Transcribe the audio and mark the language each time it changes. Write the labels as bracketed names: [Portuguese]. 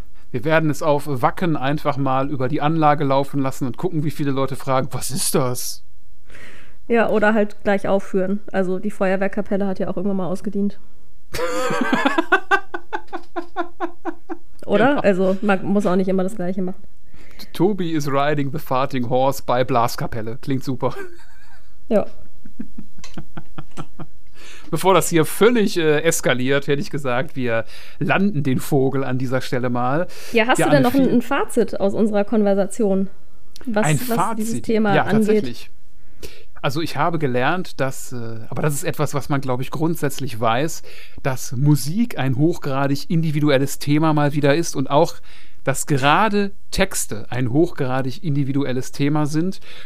[German] Wir werden es auf Wacken einfach mal über die Anlage laufen lassen und gucken, wie viele Leute fragen, was ist das? Ja, oder halt gleich aufführen. Also die Feuerwehrkapelle hat ja auch irgendwann mal ausgedient. Oder? Genau. Also man muss auch nicht immer das Gleiche machen. [English] Toby is riding the farting horse by Blaskapelle. [German] Klingt super. Ja. Bevor das hier völlig eskaliert, hätte ich gesagt, wir landen den Vogel an dieser Stelle mal. Ja, hast du denn noch ein Fazit aus unserer Konversation, was dieses Thema ja, angeht? Ja, tatsächlich. Also ich habe gelernt, dass, aber das ist etwas, was man, glaube ich, grundsätzlich weiß, dass Musik ein hochgradig individuelles Thema mal wieder ist und auch, dass gerade Texte ein hochgradig individuelles Thema sind.